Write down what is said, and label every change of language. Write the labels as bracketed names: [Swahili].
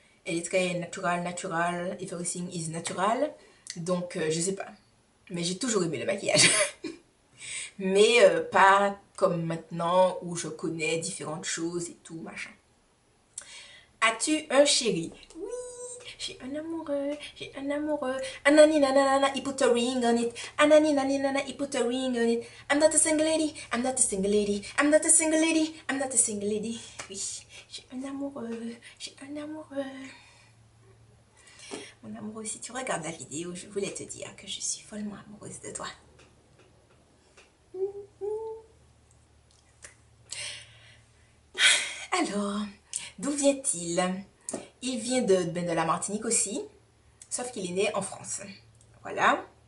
[French] Elle est très naturelle, naturelle, [English] everything is natural. [French] Donc, je sais pas. Mais j'ai toujours aimé le maquillage. Mais pas comme maintenant où je connais différentes choses et tout, machin. As-tu un chéri? Oui, j'ai un amoureux, j'ai un amoureux. [English] Ananinanana, he put a ring on it. Ananinanana, he put a ring on it. I'm not a single lady, I'm not a single lady, I'm not a single lady, I'm not a single lady. [French] Oui, j'ai un amoureux, j'ai un amoureux. Mon amoureux, si tu regardes la vidéo, je voulais te dire que je suis follement amoureuse de toi. Alors, d'où vient-il? Il vient de la Martinique aussi, sauf qu'il est né en France. Voilà.